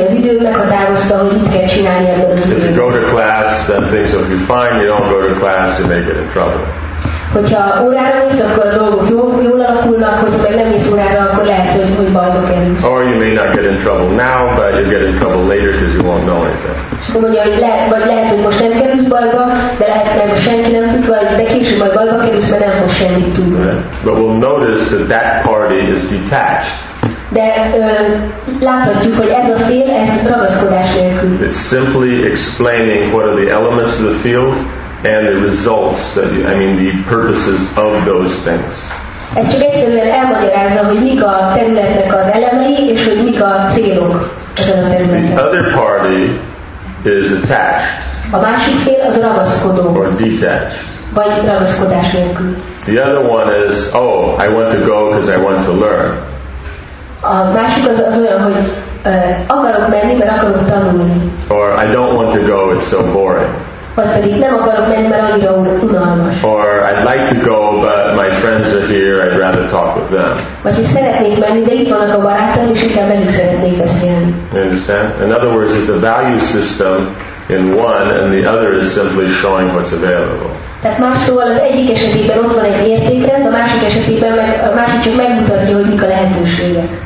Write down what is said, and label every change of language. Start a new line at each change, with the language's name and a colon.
English: If you go to class, then things will be fine. You don't go to class, you may get in trouble.
Hungarian: Hogyha órára mész, akkor a dolgok jól alakulnak, hogyha meg nem mész órára, akkor lehet, hogy bajba kerülsz.
English: Or you may not get in trouble now, but you'll get in trouble later because you won't know anything.
Hungarian: Akkor mondja, hogy lehet, hogy most nem kerülsz bajba, de lehet, hogy senki nem tud, vagy de később majd bajba kerülsz, mert nem fog semmit tudni.
English: Yeah. But we'll notice that that party is detached.
Hungarian: De láthatjuk, hogy ez a fél, ez ragaszkodás nélkül.
English: It's simply explaining what are the elements of the field, and the results that you, I mean the purposes of those things.
Hungarian: Ez csak egyszerűen elmagyarázza, hogy mik a területnek az elemei, és hogy mik a célok ezen a területen.
English: The other party is attached.
Hungarian: A másik fél az ragaszkodó.
English: Or detached.
Hungarian: Vagy ragaszkodás nélkül.
English: The other one is, oh, I want to go because I want to learn.
Hungarian: A másik az olyan, hogy akarok menni, mert akarok tanulni.
English: Or I don't want to go, it's so boring.
Hungarian: Vagy pedig nem akarok menni, mert annyira unalmas.
English: Or I'd like to go, but my friends are here, I'd rather talk with them.
Hungarian: Vagy szeretnék menni, de itt vannak a barátaim, és inkább velük szeretnék beszélni.
English: You understand? In other words, it's a value system in one, and the other is simply showing what's available.
Hungarian: Tehát más szóval az egyik esetében ott van egy értékrend, a másik esetében meg, a másik csak megmutatja, hogy mik a lehetőségek.